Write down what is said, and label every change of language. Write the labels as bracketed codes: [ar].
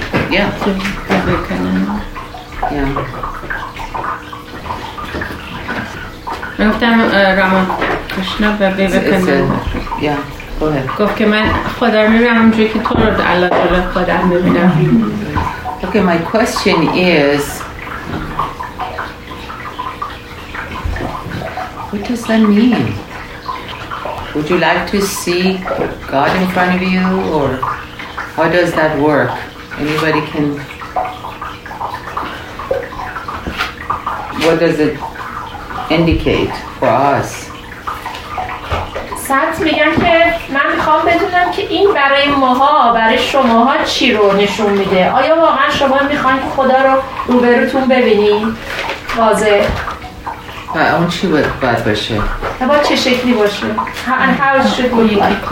[en] Yeah. [fa] من گفتم راماکریشنا به ویوکانند. گفت که من خدا رو میبینم همونجوری که تو رو الان داره خدا میبینم. [en] Okay, my question is, what does that mean? Would you like to see God in front of you, or how does that work? Anybody can, what does it indicate for us? [fa] سات میگن که من میخوام بدونم که این برای ماها برای شماها چی رو نشون میده. آیا واقعا شما میخواین که خدا رو روبروتون ببینین؟ واضح. اون چی باید باشه؟ با چه شکلی باشه؟ [en] How should we